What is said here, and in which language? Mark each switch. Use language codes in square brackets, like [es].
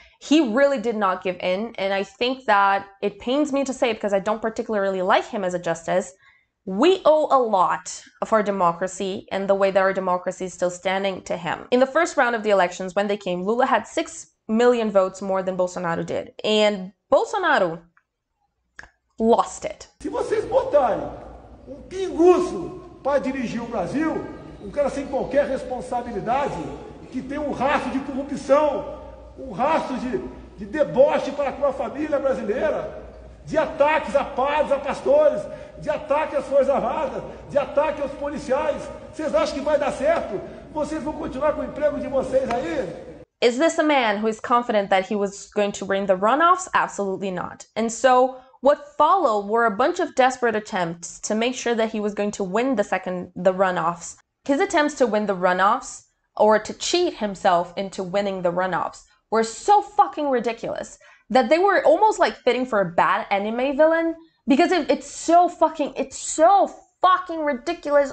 [en] He really did not give in, and I think that it pains me to say it because I don't particularly like him as a justice. We owe a lot of our democracy and the way that our democracy is still standing to him. In the first round of the elections, when they came, Lula had 6 million votes more than Bolsonaro did. And Bolsonaro lost it. [pt] Se vocês botarem um pinguço para dirigir o Brasil, um cara sem qualquer responsabilidade, que tem um rastro de corrupção, um rastro de deboche para com a família brasileira, de ataques a padres, a pastores, de ataque às Forças Armadas, de ataque aos policiais, vocês acham que vai dar certo? Vocês vão continuar com o emprego de vocês aí? [en] Is this a man who is confident that he was going to win the runoffs? Absolutely not. And so what followed were a bunch of desperate attempts to make sure that he was going to win the runoffs. His attempts to win the runoffs, or to cheat himself into winning the runoffs, were so fucking ridiculous that they were almost like fitting for a bad anime villain, because it's so fucking ridiculous.